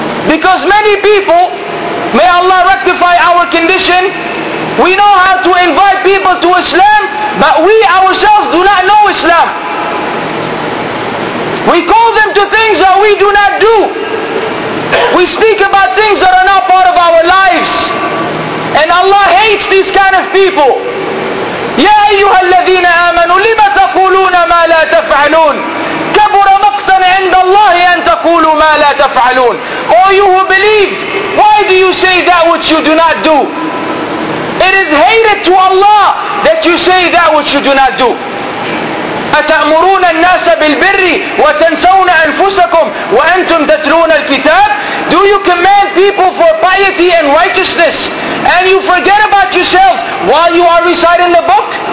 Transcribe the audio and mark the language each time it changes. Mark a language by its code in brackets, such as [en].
[en] Because many people, may Allah rectify our condition, we know how to invite people to Islam, but we ourselves do not know Islam. We call them to things that we do not do. We speak about things that are not part of our lives. And Allah hates these kind of people. [ar] يَا أَيُّهَا الَّذِينَ آمَنُوا لِمَ تَقُولُونَ مَا لَا تَفْعَلُونَ كَبُرَ مَقْتًا عِنْدَ اللَّهِ أَن تَقُولُوا مَا لَا تَفْعَلُونَ [en] Oh, you who believe, why do you say that which you do not do? It is hated to Allah that you say that which you do not do. [ar] أَتَأْمُرُونَ النَّاسَ بِالْبِرِّ وَتَنْسَوْنَ أَنفُسَكُمْ وَأَنْتُمْ تَتْلُونَ الْكِتَابِ [en] Do you command people for piety and righteousness, and you forget about yourselves while you are reciting the book?